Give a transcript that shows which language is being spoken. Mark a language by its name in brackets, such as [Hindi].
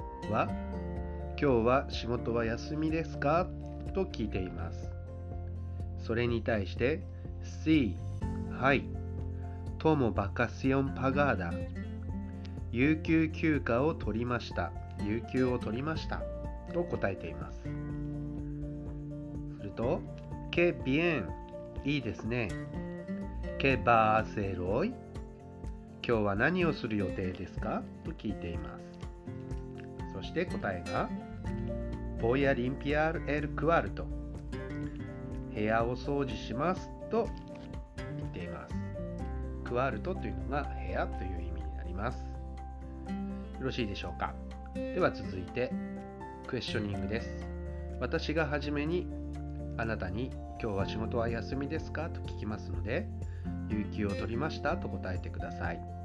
[Japanese] は、今日は仕事は休みですか?と聞いています。それに対して、Sí, はい。 [Spanish] Tomo vacación pagada. [Japanese] 有給休暇を取りました。有給を取りましたと答えています。すると Qué bien! [Spanish] いいですね。 Qué va a hacer hoy? [Japanese] 今日は何をする予定ですかと聞いています。 [Spanish] そして答えが Voy a limpiar el cuarto. [Japanese] 部屋を掃除しますと言っています。 cuarto というのが部屋という意味になります。よろしいでしょうか。では続いてクエスチョニングです。私が初めにあなたに今日は仕事は休みですかと聞きますので、有給を取りましたと答えてください。